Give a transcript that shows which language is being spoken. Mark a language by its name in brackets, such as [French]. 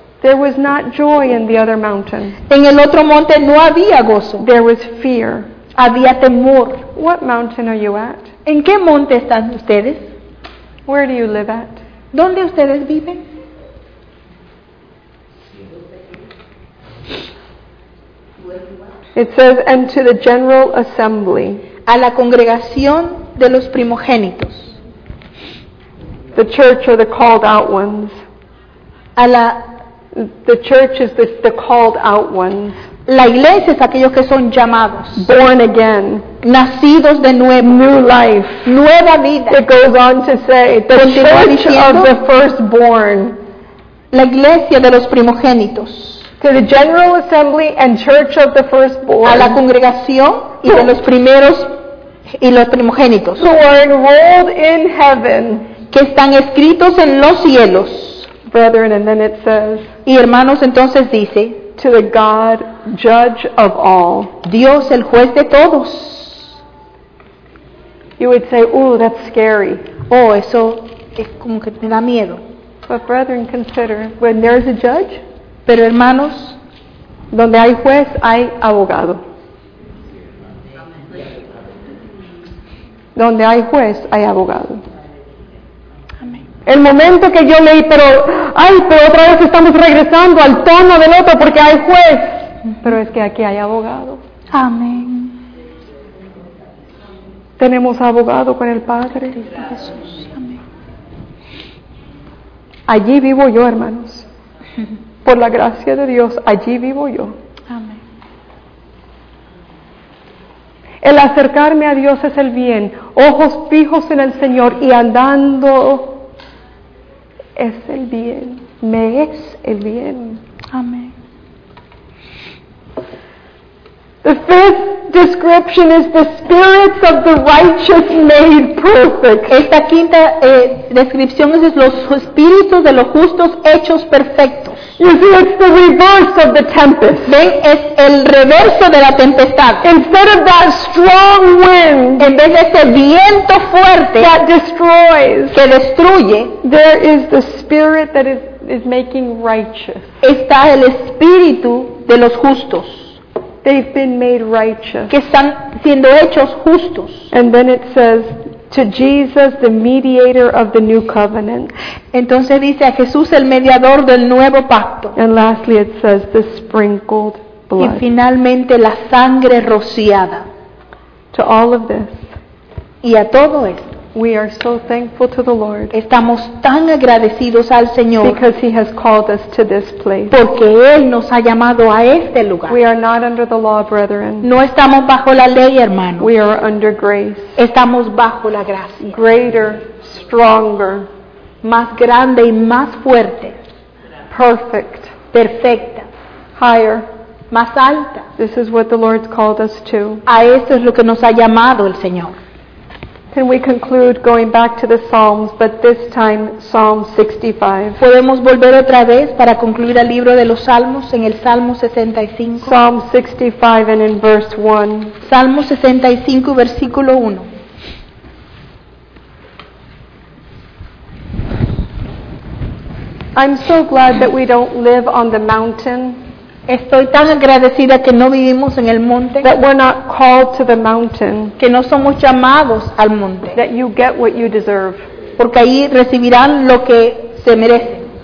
[English] There was not joy in the other mountain. [Spanish] En el otro monte no había gozo. [English] There was fear. [Spanish] Había temor. [English] What mountain are you at? [Spanish] ¿En qué monte están ustedes? [English] Where do you live at? [Spanish] ¿Dónde ustedes viven? [English] It says, and to the general assembly. [Spanish] A la congregación de los primogénitos. [English] The church are the called out ones. [Spanish] A la... [English] The church is the called out ones. [Spanish] La iglesia es aquellos que son llamados. [English] Born again. [Spanish] Nacidos de nuevo. [English] New life. [Spanish] Nueva vida. [English] It goes on to say, the church of the firstborn. [Spanish] La iglesia de los primogénitos. [English] To the general assembly and church of the firstborn. [Spanish] A la congregación y de los primeros y los primogénitos. [English] Who are enrolled in heaven. [Spanish] Que están escritos en los cielos. [English] Brethren, and then it says. [Spanish] Y hermanos, entonces dice. [English] To the God, judge of all. [Spanish] Dios, el juez de todos. [English] You would say, ooh, that's scary. [Spanish] Oh, eso es como que me da miedo. [English] But brethren, consider, when there's a judge, [Spanish] pero hermanos, donde hay juez, hay abogado. Donde hay juez, hay abogado. El momento que yo leí, pero otra vez estamos regresando al tono del otro porque hay juez. Pero es que aquí hay abogado. Amén. Tenemos abogado con el Padre. Jesús. Amén. Allí vivo yo, hermanos. Por la gracia de Dios, allí vivo yo. Amén. El acercarme a Dios es el bien. Ojos fijos en el Señor y andando es el bien. Me es el bien. Amén. [English] The fifth description is the spirits of the righteous made perfect. [Spanish] Esta quinta descripción es los espíritus de los justos hechos perfectos. [English] You see, it's the reverse of the tempest. [Spanish] Ven, es el reverso de la tempestad. [English] Instead of that strong wind, [Spanish] en vez de ese viento fuerte [English] that destroys, [Spanish] que destruye, [English] there is the spirit that is making righteous. [Spanish] Está el espíritu de los justos. [English] They've been made righteous. [Spanish] Que están siendo hechos justos. [English] And then it says, to Jesus, the mediator of the new covenant. [Spanish] Entonces dice a Jesús, el mediador del nuevo pacto. [English] And lastly it says, the sprinkled blood. [Spanish] Y finalmente la sangre rociada. [English] To all of this. [Spanish] Y a todo esto. [English] We are so thankful to the Lord. [Spanish] Estamos tan agradecidos al Señor. [English] Because He has called us to this place. [Spanish] Porque Él nos ha llamado a este lugar. [English] We are not under the law, brethren. [Spanish] No estamos bajo la ley, hermano. [English] We are under grace. [Spanish] Estamos bajo la gracia. [English] Greater, stronger. [Spanish] Más grande y más fuerte. [English] Perfect. [Spanish] Perfecta. [English] Higher. [Spanish] Más alta. [English] This is what the Lord's called us to. [Spanish] A esto es lo que nos ha llamado el Señor. [English] Can we conclude going back to the Psalms, but this time Psalm 65. [Spanish] Podemos volver otra vez para concluir al libro de los Salmos en el Salmo 65. [English] Psalm 65 and in verse 1. [Spanish] Salmo 65, versículo 1. [English] I'm so glad that we don't live on the mountain. [Spanish] Estoy tan agradecida que no vivimos en el monte. [English] That we're not called to the mountain. [Spanish] Que no somos llamados al monte. [English] That you get what you deserve. [Spanish] Porque ahí recibirán lo que se merecen.